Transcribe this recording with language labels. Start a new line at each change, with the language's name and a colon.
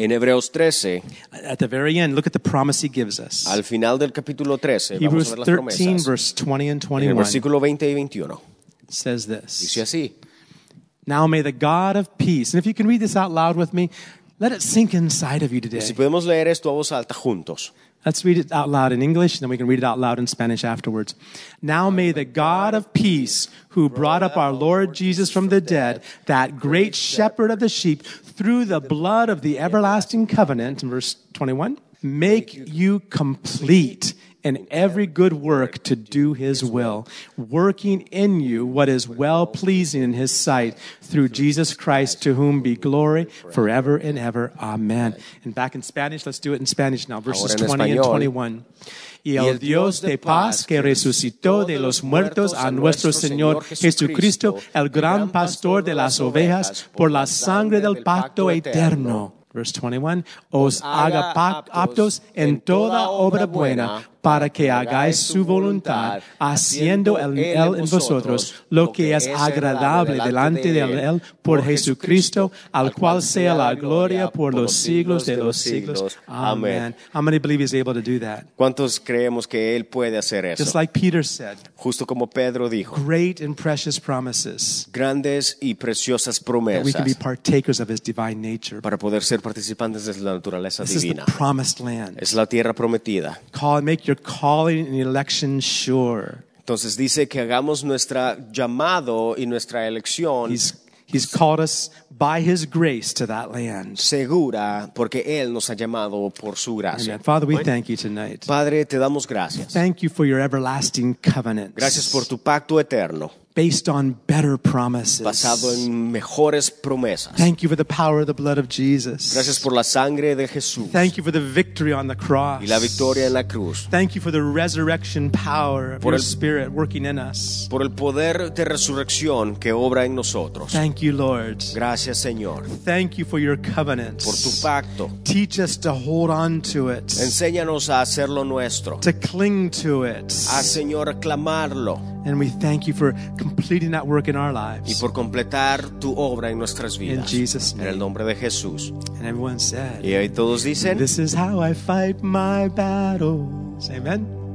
Spanish: en Hebreos 13,
English: at the very end, look at the promise he gives us.
Spanish: Al final del capítulo 13,
English: Hebrews
Spanish: vamos a ver las
English: 13,
Spanish: promesas.
English: Verse 20 and 21.
Spanish: En el versículo 20 y 21.
English: Says this.
Spanish: Dice así.
English: Now may the God of peace, and if you can read this out loud with me, let it sink inside of you today.
Spanish: Si podemos leer esto a voz alta juntos.
English: Let's read it out loud in English, and then we can read it out loud in Spanish afterwards. Now may the God of peace, who brought up our Lord Jesus from the dead, that great shepherd of the sheep, through the blood of the everlasting covenant, in verse 21, make you complete in every good work to do his will, working in you what is well-pleasing in his sight, through Jesus Christ, to whom be glory forever and ever. Amen. And back in Spanish, let's do it in Spanish now. Verses 20 and 21.
Spanish: Y el Dios de paz que resucitó de los muertos a nuestro Señor Jesucristo, el gran pastor de las ovejas, por la sangre del pacto eterno.
English: Verse 21,
Spanish: os haga aptos en toda obra buena para que hagáis su voluntad, haciendo él en vosotros lo que es agradable delante de él por Jesucristo, al cual sea la gloria por los siglos de los siglos. Amen.
English: How many believe he's able to do that?
Spanish: ¿Cuántos creemos que él puede hacer eso?
English: Just like Peter said.
Spanish: Justo como Pedro dijo.
English: Great and precious promises.
Spanish: Grandes y preciosas promesas.
English: That we can be partakers of his divine nature.
Spanish: Para poder ser participantes de la naturaleza
English: this
Spanish: divina.
English: This is the promised land.
Spanish: Es la tierra prometida.
English: Your calling and election sure.
Spanish: Entonces dice que hagamos nuestro llamado y nuestra elección.
English: He's called us by his grace to that land.
Spanish: Segura, porque él nos ha llamado por su gracia.
English: Amen. Father, we thank you tonight.
Spanish: Padre, te damos gracias.
English: Thank you for your everlasting covenant.
Spanish: Gracias por tu pacto eterno.
English: Based on better promises.
Spanish: Basado en mejores promesas.
English: Thank you for the power of the blood of Jesus.
Spanish: Gracias por la sangre de Jesús.
English: Thank you for the victory on the cross.
Spanish: Y la victoria en la cruz.
English: Thank you for the resurrection power of your Spirit working in us.
Spanish: Por el poder de resurrección que obra en nosotros.
English: Thank you, Lord.
Spanish: Gracias, Señor.
English: Thank you for your covenant.
Spanish: Por tu pacto.
English: Teach us to hold on to it.
Spanish: Enséñanos a hacerlo nuestro.
English: To cling to it.
Spanish: A Señor, a clamarlo.
English: And we thank you for completing that work in our lives.
Spanish: Y por completar tu obra en nuestras vidas.
English: In Jesus' name.
Spanish: En el nombre de Jesús.
English: And everyone said.
Spanish: Y ahí todos dicen.
English: This is how I fight my battles. Amen.